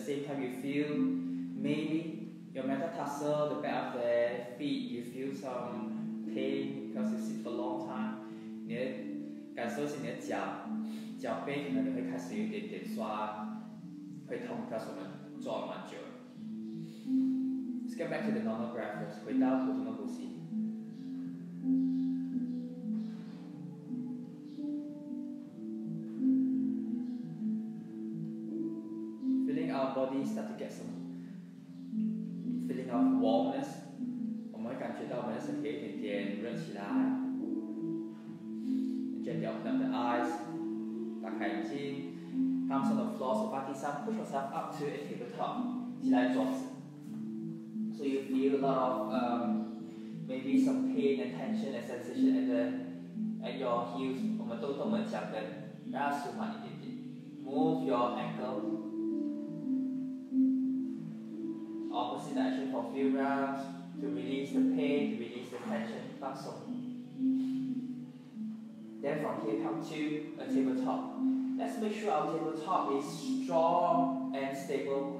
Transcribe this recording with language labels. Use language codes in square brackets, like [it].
[en] same time you feel maybe your metatarsal, the back of the feet, you feel some pain because you sit for a long time. [zh] 你的感受是你的脚脚背可能你会开始有点点酸，会痛，告诉我们坐了蛮久。 [en] Let's get back to the normal breath first, [zh] 回到普通的呼吸。 [en] Feeling our body start to get some feeling of warmness, [zh] 我们会感觉到我们的身体一点点热起来。 [en] Gently open up the eyes, [zh] 打开眼睛。 [en] Palms on the floor, so body side, push yourself up to a tabletop, [zh] 起来坐姿。 [en] So you feel a lot of maybe some pain and tension and sensation at your heels. [zh] 我们都懂我们脚跟，大家舒缓一点点。 [en] Move your ankle. Opposite direction for a few rounds to release the pain, to release the tension. [zh] 放松。 [en] Then from here, come to a tabletop. Let's make sure our tabletop is strong and stable.